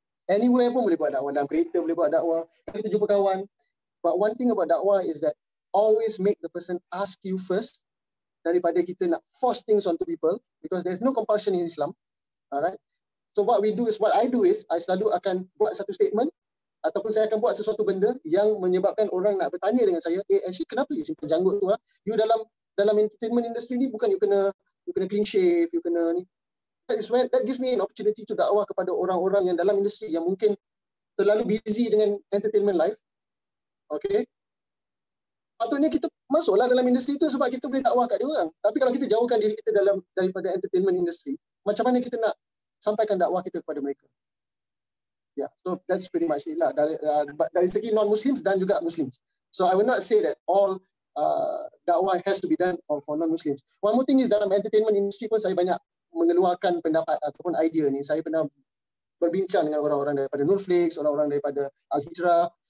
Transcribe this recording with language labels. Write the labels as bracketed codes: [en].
[ms] Anywhere pun boleh buat dakwah. Dalam kereta boleh buat dakwah. Kita jumpa kawan. [en] But one thing about dakwah is that always make the person ask you first [ms] daripada kita nak [en] force things onto people, because there's no compulsion in Islam. [ms] Alright? [en] So what we do is, what I do is, [ms] I selalu akan buat satu statement ataupun saya akan buat sesuatu benda yang menyebabkan orang nak bertanya dengan saya, actually kenapa you simpan janggut tu? Huh? You dalam entertainment industry ni, bukan you kena clean shave, you kena ni. [en] That gives me an opportunity to dakwah [ms] kepada orang-orang yang dalam industri yang mungkin terlalu [en] busy dengan entertainment life. Okay. [ms] Patutnya kita masuklah dalam industri itu sebab kita boleh dakwah kat dia orang. Tapi kalau kita jauhkan diri kita daripada entertainment industry, macam mana kita nak sampaikan dakwah kita kepada mereka? [en] Yeah, so that's pretty much it lah. [ms] Dari segi [en] non-Muslims dan juga Muslims. So I will not say that all dakwah has to be done for non-Muslims. One more thing is, [ms] dalam entertainment industry pun saya banyak mengeluarkan pendapat ataupun idea ni. Saya pernah berbincang dengan orang-orang daripada Netflix, orang-orang daripada Al-Hijrah.